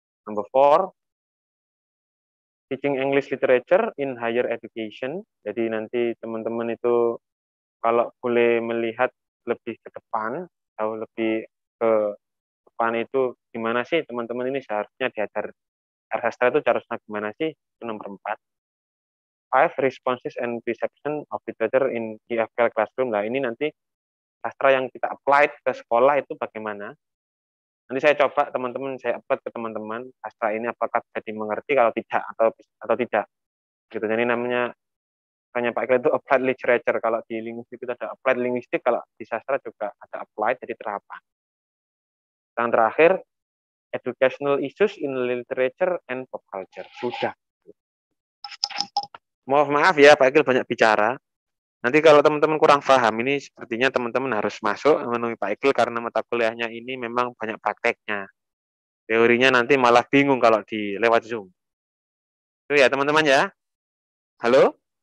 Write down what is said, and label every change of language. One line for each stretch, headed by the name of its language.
English: Number 4, teaching English literature in higher education.
Indonesian: Jadi nanti teman-teman itu kalau boleh melihat lebih ke depan atau lebih ke depan itu gimana sih teman-teman ini seharusnya diajar sastra itu seharusnya gimana sih, itu nomor 4.
English: 5, responses and reception of literature in EFL classroom.
Indonesian: Nah, ini nanti sastra yang kita applied ke sekolah itu bagaimana. Nanti saya coba teman-teman, saya upload ke teman-teman sastra ini apakah jadi mengerti kalau tidak atau tidak. Gitu. Jadi namanya kayaknya Pak Iqlil itu applied literature, kalau di linguistik itu ada applied linguistik, kalau di sastra juga ada applied, jadi terapan.
English: Yang terakhir, educational issues in literature and pop culture.
Indonesian: Sudah. Mohon maaf ya, Pak Iqlil banyak bicara. Nanti kalau teman-teman kurang paham, ini sepertinya teman-teman harus masuk menemui Pak Iqlil karena mata kuliahnya ini memang banyak prakteknya. Teorinya nanti malah bingung kalau di lewat Zoom. Itu ya, teman-teman ya. Halo?